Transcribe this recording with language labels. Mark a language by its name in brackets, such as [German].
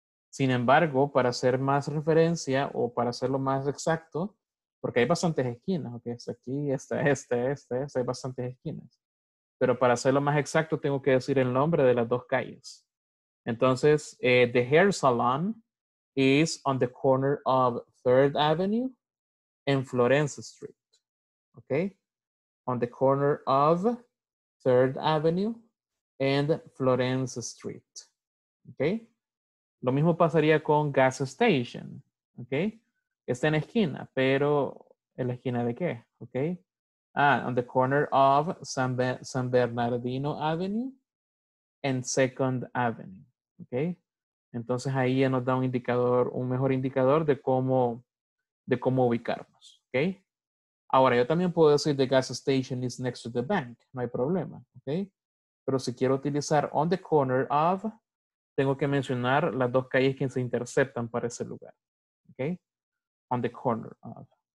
[Spanish] Sin embargo, para hacer más referencia o para hacerlo más exacto, porque hay bastantes esquinas, ok, está aquí, esta, hay bastantes esquinas. Pero para hacerlo más exacto, tengo que decir el nombre de las dos calles. Entonces, [English] the hair salon is on the corner of 3rd Avenue and Florence Street, ok. On the corner of 3rd Avenue and Florence Street, ok. [Spanish] Lo mismo pasaría con gas station, ok. Está en la esquina, pero ¿en la esquina de qué? ¿Ok? [English] On the corner of San Bernardino Avenue and Second Avenue. Okay. [Spanish] Entonces ahí ya nos da un indicador, un mejor indicador de cómo ubicarnos. Okay. Ahora yo también puedo decir [English] the gas station is next to the bank. [Spanish] No hay problema. Okay. Pero si quiero utilizar on the corner of, tengo que mencionar las dos calles que se interceptan para ese lugar. Okay. [English] On the corner of.